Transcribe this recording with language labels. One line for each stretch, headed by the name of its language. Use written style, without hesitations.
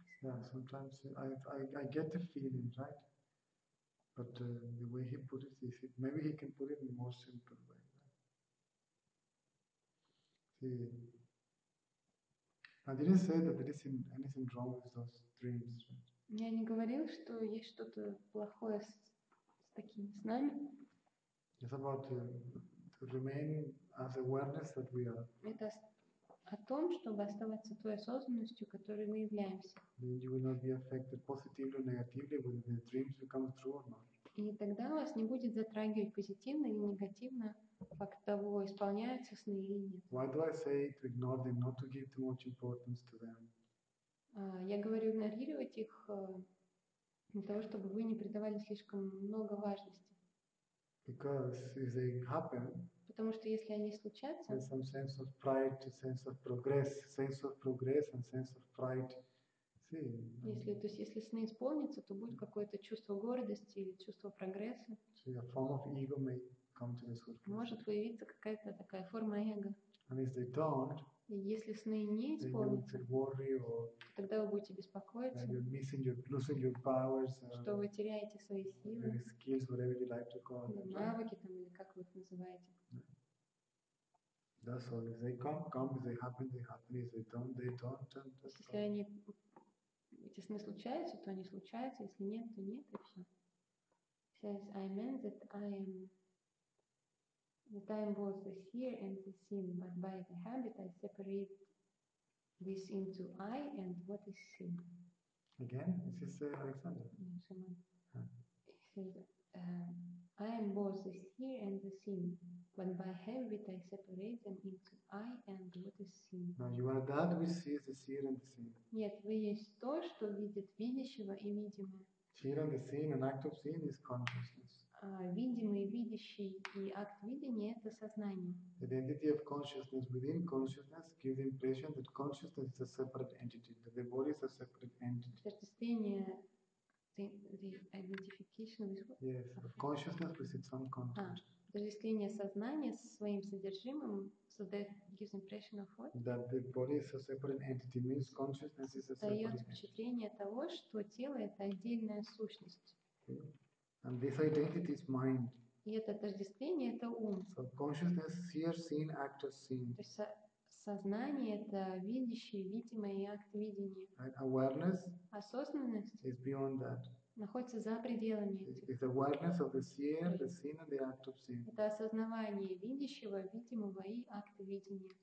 English: Yeah, sometimes I get the feeling, right? But the way he put it is, maybe he can put it in a more simple way. See, I didn't say that there is anything wrong with those dreams, right?
Russian: Я не говорил, что есть что-то плохое с такими снами.
English: It's about to remain as awareness that we are.
Russian: Это о том, чтобы оставаться той осознанностью, которой мы являемся.
English: You will not be affected positively or negatively when the dreams come true or not.
Russian: И тогда вас не будет затрагивать позитивно или негативно факт того, исполняются сны или нет.
English: Why do I say to ignore them, not to give too much importance to them?
Russian: Я говорю игнорировать их для того, чтобы вы не придавали слишком много важности.
English: Because if they happen,
Russian: потому что если они случатся,
English: there's some sense of pride, sense of progress and sense of pride. See,
Russian: если, то есть если сны исполнятся, то будет какое-то чувство гордости или чувство прогресса.
English: See, a form of ego may come to this world.
Russian: Может появиться какая-то такая форма эго.
English: And if they don't,
Russian: если сны не исполнятся, тогда вы будете беспокоиться, что вы теряете свои силы,
English: skills, whatever you like to call them,
Russian: навыки там, или как вы их называете.
English: That's all. If they come, come. If they happen, they happen. If they don't, they don't.
Russian: Если они, эти сны случаются, то они случаются. Если нет, то нет, и все.
English: It says, I meant that the time was the here and the seen, but by the habit I separate this into I and what is seen. Again, this is Alexander. Yes, he said, I am both the here and the seen, but by habit I separate them into I and what is seen. Now you are that which sees the seer and the seen.
Russian: Нет, вы есть то, что видит видящего и видимое.
English: Seer and the seen, an act of seeing is consciousness.
Russian: Видимый, видящий и акт видения – это сознание.
English: Identity of consciousness within consciousness gives the impression that consciousness is a separate entity, that the body is a separate entity. The identification with what? Yes, of consciousness with its own content.
Russian: Разделение сознания со своим содержимым,
English: so that gives impression of what? That the body is a separate entity means consciousness is a separate entity.
Russian: Дает впечатление того, что тело – это отдельная сущность.
English: And this identity is mind.
Russian: И это отождествление – это ум.
English: So consciousness, seer, seen, act of seeing.
Russian: То есть сознание – это видящий, видимое и акт видения.
English: And awareness.
Russian: Осознанность.
English: Is beyond that.
Russian: Находится за пределами этих.
English: It's awareness of the seer, the seen, and the act of seeing.
Russian: Это осознавание видящего, видимого и акта видения.